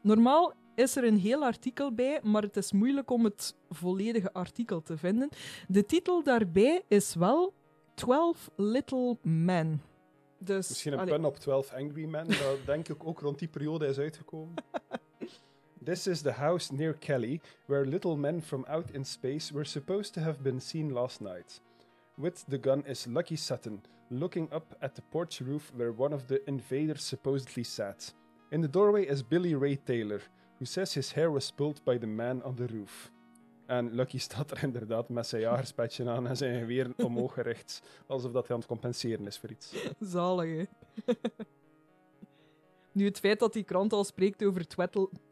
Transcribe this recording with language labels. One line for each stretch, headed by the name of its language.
Dutch: Normaal is er een heel artikel bij, maar het is moeilijk om het volledige artikel te vinden. De titel daarbij is wel 12 Little Men. Dus, misschien een pun op 12 Angry Men, dat denk ik ook rond die periode is uitgekomen.
English: This is the house near Kelly, where little men from out in space were supposed to have been seen last night. With the gun is Lucky Sutton, looking up at the porch roof where one of the invaders supposedly sat. In the doorway is Billy Ray Taylor, who says his hair was pulled by the man on the roof.
Dutch: En Lucky staat er inderdaad met zijn jagerspetje aan en zijn geweer omhoog gericht, alsof dat hij aan het compenseren is voor iets. Zalig, hè? Nu, het feit dat die krant al spreekt over twettel.